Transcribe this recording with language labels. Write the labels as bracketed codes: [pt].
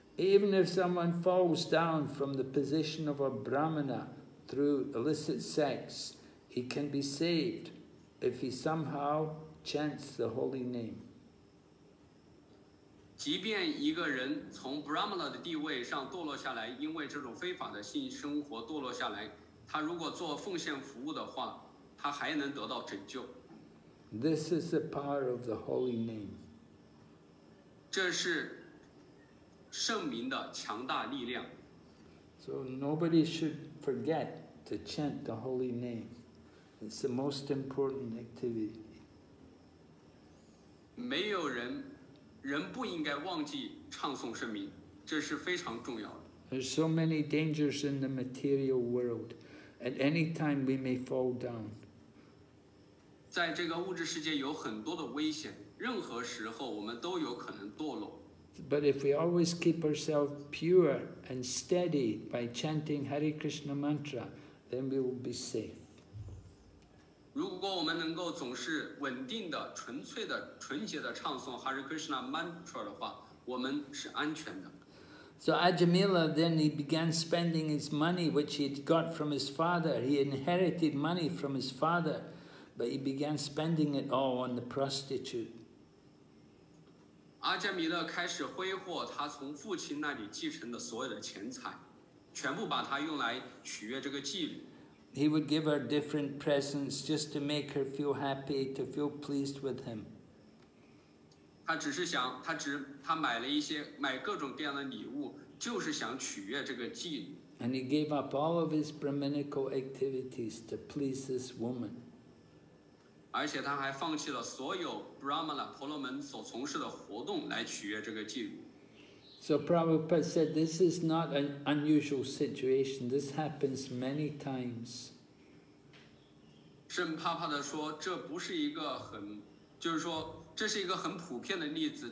[en] Even if someone falls down from the position of a brahmana through illicit sex, he can be saved if he somehow chants the holy name. [zh] 即便一个人从 Brahmana 的地位上堕落下来，因为这种非法的性生活堕落下来，他如果做奉献服务的话，他还能得到拯救。 [en] This is the power of the holy name. [zh] 这是圣名的强大力量。 [en] So nobody should forget to chant the holy name. It's the most important activity. [zh] 没有人。人不应该忘记唱诵圣名，这是非常重要的。 [en] There's so many dangers in the material world. At any time we may fall down. [zh] 在这个物质世界有很多的危险，任何时候我们都有可能堕落。 [en] But if we always keep ourselves pure and steady by chanting Hare Krishna mantra, then we will be safe. [zh] 如果我们能够总是稳定的、纯粹的、纯洁的唱诵 Hare Krishna mantra 的话，我们是安全的。 [en] So Ajamila then he began spending his money which he'd got from his father. He inherited money from his father, but he began spending it all on the prostitute. [zh] Ajamila 开始挥霍他从父亲那里继承的所有的钱财，全部把它用来取悦这个妓女。 [en] He would give her different presents just to make her feel happy, to feel pleased with him. [zh] 他只是想，他买了一些，买各种各样的礼物，就是想取悦这个妓女。 [en] And he gave up all of his brahminical activities to please this woman. [zh] 而且他还放弃了所有 brahmana 婆罗门所从事的活动来取悦这个妓女。 [en] So Prabhupada said, this is not an unusual situation. This happens many times. [zh] 圣帕帕的说，这不是一个很，就是说，这是一个很普遍的例子。